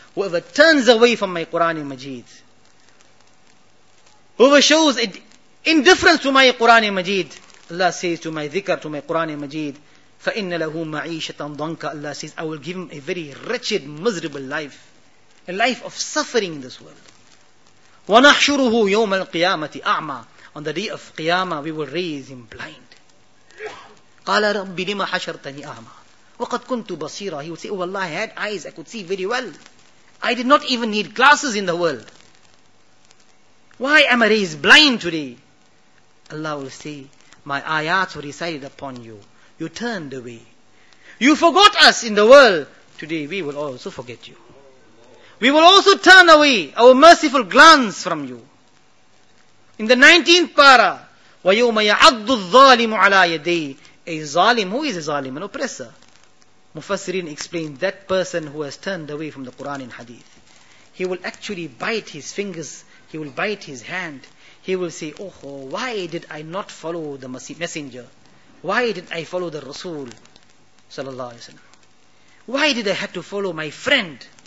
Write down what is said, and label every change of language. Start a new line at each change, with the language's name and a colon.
English: Whoever turns away from my Qur'an-e-Majeed, whoever shows indifference to my Qur'an-e-Majeed, Allah says to my dhikr, to my Qur'an-e-Majeed,
Arabic: فَإِنَّ لَهُ مَعِيشَةً ضَنْكًا.
English: Allah says, I will give him a very wretched, miserable life, a life of suffering in this world.
Arabic: وَنَحْشُرُهُ يَوْمَ الْقِيَامَةِ أَعْمَى.
English: On the day of Qiyamah, we will raise him blind.
Arabic: قَالَ رَبِّ لِمَ حَشَرْتَنِي أَعْمَى وَقَدْ كُنْتُ بَصِيرًا.
English: He would say, oh Allah, I had eyes, I could see very well. I did not even need glasses in the world. Why am I raised blind today? Allah will say, my ayats were recited upon you. You turned away. You forgot us in the world. Today we will also forget you. We will also turn away our merciful glance from you. In the 19th para,
Arabic: وَيَوْمَ يَعَضُّ الظَّالِمُ عَلَى يَدَيْهِ.
English: A zalim, who is a zalim? An oppressor. Mufassirin explained, that person who has turned away from the Quran and Hadith. He will actually bite his fingers, he will bite his hand. He will say, oh, why did I not follow the messenger? Why did I follow the Rasul? Sallallahu alayhi wa sallam. Why did I have to follow my friend?